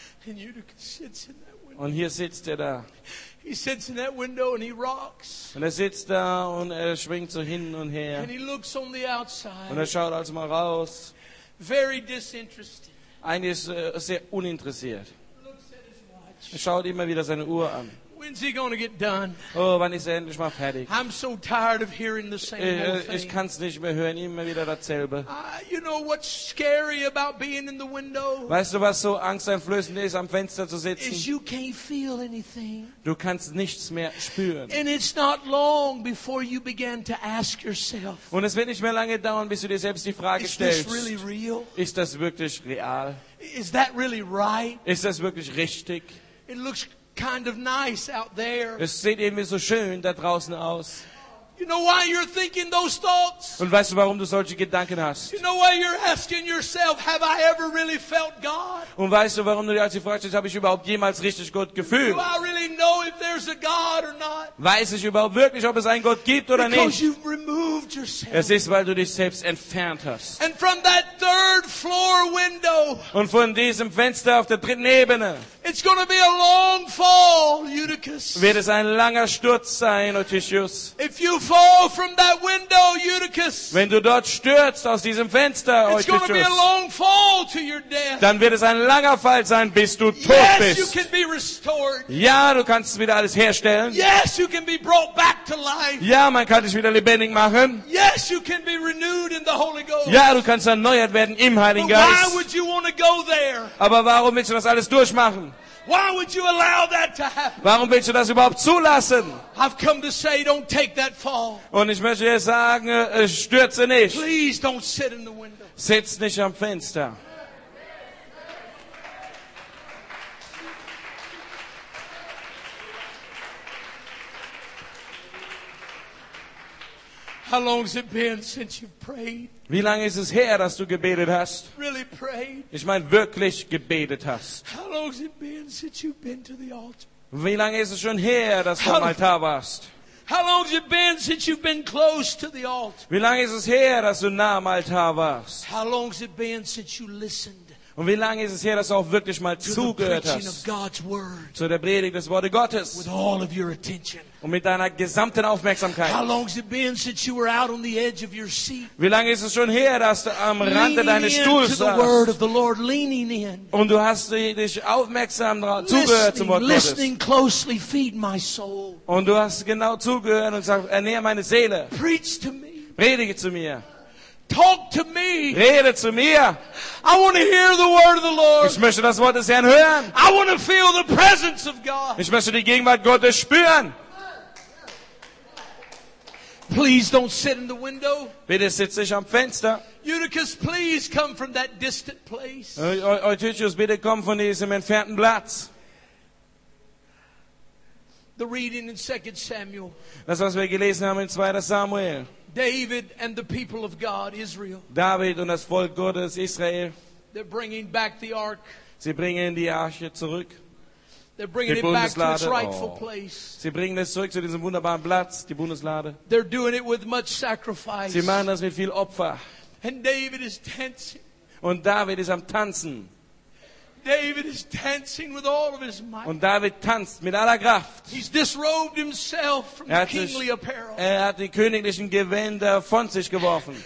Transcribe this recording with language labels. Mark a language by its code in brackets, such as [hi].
[en] And Eutychus sits in that window. [de] Und hier sitzt er da. [en] He sits in that window and he rocks. [de] Und er sitzt da und er schwingt so hin und her. [en] And he looks on the outside. [de] Und er schaut also mal raus. [en] Very disinterested. [de] Eigentlich sehr uninteressiert. Er schaut immer wieder seine Uhr an. [en] When's he gonna get done? [de] Oh, wann ist er endlich mal fertig? [en] I'm so tired of hearing the same old thing. [de] Ich kann's nicht mehr hören, immer wieder dasselbe. [en] You know what's scary about being in the window? [de] Weißt du, was so angsteinflößend ist, am Fenster zu sitzen? [en] Is you can't feel anything. [de] Du kannst nichts mehr spüren. [en] And it's not long before you begin to ask yourself. [de] Und es wird nicht mehr lange dauern, bis du dir selbst die Frage stellst. [en] Is this really real? [de] Ist das wirklich real? [en] Is that really right? [de] Ist das wirklich richtig? [en] It looks kind of nice out there. [de] Es sieht irgendwie so schön da draußen aus. [en] You know why you're thinking those thoughts? [de] Und weißt du, warum du solche Gedanken hast? [en] You know why you're asking yourself, have I ever really felt God? [de] Und weißt du, warum du dich also fragst, habe ich überhaupt jemals richtig Gott gefühlt? [en] Do I really know if there's a God or not? [de] Weiß ich überhaupt wirklich, ob es einen Gott gibt oder [en] Because [de] nicht? [en] Because you've removed yourself. [de] Es ist, weil du dich selbst entfernt hast. [en] And from that third floor window. [de] Und von diesem Fenster auf der dritten Ebene. [en] It's going to be a long fall, Eutychus. [de] Wird es ein langer Sturz sein, Eutychus? [en] If you fall from that window, Eutychus. [de] Wenn du dort stürzt aus diesem Fenster, Eutychus. [en] It's going to be a long fall to your death. [de] Dann wird es ein langer Fall sein, bis du [en] yes, [de] tot bist. [en] You can be restored. [de] Ja, du kannst wieder alles herstellen. [en] Yes, you can be brought back to life. [de] Ja, man kann dich wieder lebendig machen. [en] Yes, you can be renewed in the Holy Ghost. [de] Ja, du kannst erneuert werden im Heiligen [en] But [de] Geist. [en] Why would you want to go there? [de] Aber warum willst du das alles durchmachen? [en] Why would you allow that to happen? [de] Warum willst du das überhaupt zulassen? [en] I've come to say, don't take that fall. [de] Und ich möchte dir sagen, stürze nicht. [en] Please don't sit in the window. [de] Sitz nicht am Fenster. [en] How long has it been since you've prayed? [de] Wie lange ist es her, dass du gebetet hast? [en] Really prayed? [de] Ich meine, wirklich gebetet hast. [en] How long has it been since you've been to the altar? [de] Wie lange ist es schon her, dass du am Altar warst? [en] How long has it been since you've been close to the altar? [de] Wie lange ist es her, dass du nah am Altar warst? [en] How long has it been since you listened? [de] Und wie lange ist es her, dass du auch wirklich mal zugehört hast? Zu der Predigt des Wortes Gottes. [en] With all of your attention. [de] Und mit deiner gesamten Aufmerksamkeit. [en] How long has it been since you were out on the edge of your seat? [de] Wie lange ist es schon her, dass du am Rande deines Stuhls saßt? [en] To the word of the Lord, leaning in. [de] Und du hast dich aufmerksam zugehört zum Wort Gottes. [en] Listening closely, feed my soul. [de] Und du hast genau zugehört und sagst, ernähre meine Seele. [en] Preach to me. [de] Predige zu mir. [en] Talk to me. [de] Rede zu mir. [en] I want to hear the word of the Lord. [de] Ich möchte das Wort des Herrn hören. [en] I want to feel the presence of God. [de] Ich möchte die Gegenwart Gottes spüren. [en] Please don't sit in the window. [de] Bitte sitz nicht am Fenster. [en] Eutychus, please come from that distant place. [de] Eutychus, bitte komm von diesem entfernten Platz. [en] The reading in 2 Samuel. [de] Das, was wir gelesen haben in 2. Samuel. [en] David and the people of God, Israel. [de] David und das Volk Gottes, Israel. [en] They're bringing back the ark. [de] Sie bringen die Arche zurück. [en] They're bringing it back to its rightful place. [de] Sie bringen es zurück zu diesem wunderbaren Platz, die Bundeslade. [en] They're doing it with much sacrifice. [de] Sie machen das mit viel Opfer. [en] And David is dancing. [de] Und David ist am Tanzen. [en] David is dancing with all of his might. [de] Und David tanzt mit aller Kraft. [en] He's disrobed himself from the kingly apparel. [de] Er hat die königlichen Gewänder von sich geworfen.